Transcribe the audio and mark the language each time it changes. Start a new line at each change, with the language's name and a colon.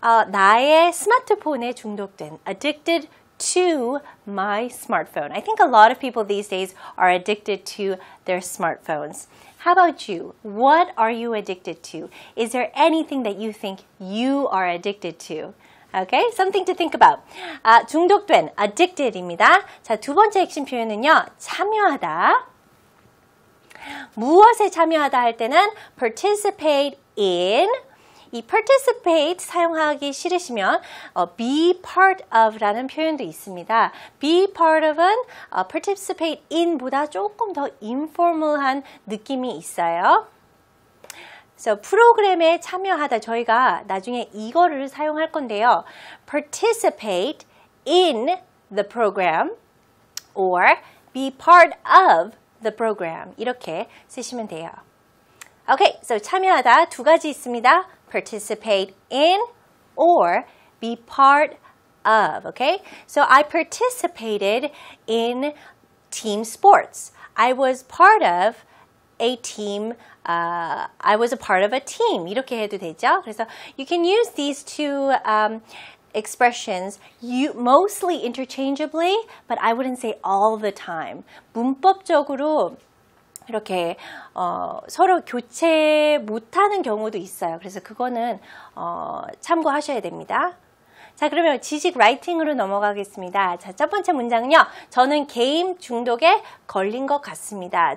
Korean: 나의 스마트폰에 중독된.
English: Addicted to my smartphone. I think a lot of people these days are addicted to their smartphones. How about you? What are you addicted to? Is there anything that you think you are addicted to? Okay, something to think about.
Korean: 중독된, addicted입니다. 자, 두 번째 핵심 표현은요, 참여하다. 무엇에 참여하다 할 때는 participate in. 이 participate 사용하기 싫으시면 be part of라는 표현도 있습니다. Be part of은 participate in보다 조금 더 informal한 느낌이 있어요. So, 프로그램에 참여하다. 저희가 나중에 이거를 사용할 건데요.
English: Participate in the program or be part of the program.
Korean: 이렇게 쓰시면 돼요. Okay, so 참여하다 두 가지 있습니다.
English: Participate in or be part of. Okay, so I participated in team sports. I was part of a team. I was a part of a team.
Korean: 이렇게 해도 되죠?
English: 그래서 you can use these two expressions mostly interchangeably, but I wouldn't say all the time.
Korean: 문법적으로 이렇게 서로 교체 못하는 경우도 있어요. 그래서 그거는 참고하셔야 됩니다. 자, 그러면 지식 라이팅으로 넘어가겠습니다. 자, 첫 번째 문장은요. 저는 게임 중독에 걸린 것 같습니다.